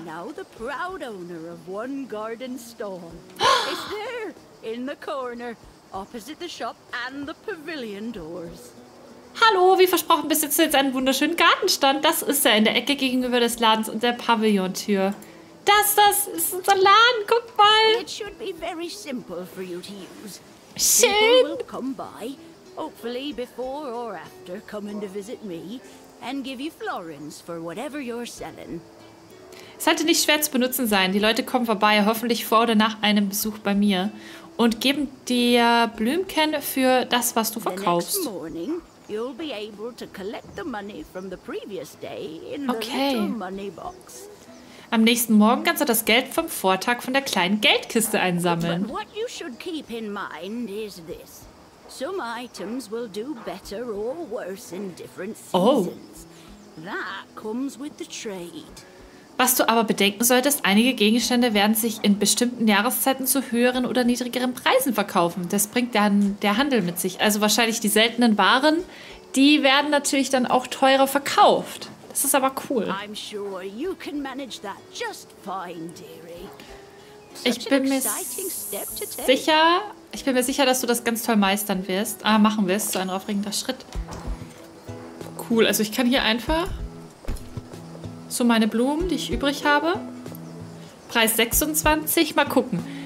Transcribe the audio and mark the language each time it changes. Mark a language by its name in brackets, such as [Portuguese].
[English] Now the proud owner of one garden stall. It's there, in the corner, opposite the shop and the pavilion doors. [German] Hallo, wie versprochen, besitzt du jetzt einen wunderschönen Gartenstand. Das ist er in der Ecke gegenüber des Ladens und der Pavillontür. Das ist unser Laden, guck mal. [English] It should be very simple for you to use. [German] Schön. [English] People will come by, hopefully before or after coming to visit me, and give you florins for whatever you're selling. [German] Es sollte nicht schwer zu benutzen sein. Die Leute kommen vorbei, hoffentlich vor oder nach einem Besuch bei mir und geben dir Blümchen für das, was du verkaufst. [English] The next morning, you'll be able to collect the money from the previous day in the okay. Little money box. [German] Am nächsten Morgen kannst du das Geld vom Vortag von der kleinen Geldkiste einsammeln. [English] But what you should keep in mind is this. Some items will do better or worse in different seasons. Oh. That comes with the trade. [German] Was du aber bedenken solltest, einige Gegenstände werden sich in bestimmten Jahreszeiten zu höheren oder niedrigeren Preisen verkaufen. Das bringt dann der Handel mit sich. Also wahrscheinlich die seltenen Waren, die werden natürlich dann auch teurer verkauft. Das ist aber cool. [English] I'm sure you can manage that just fine, dearie. [German] Ich bin mir sicher, dass du das ganz toll meistern wirst. Ah, machen wir es. So ein aufregender Schritt. Cool, also ich kann hier einfach... So meine Blumen, die ich übrig habe. Preis 26. Mal gucken.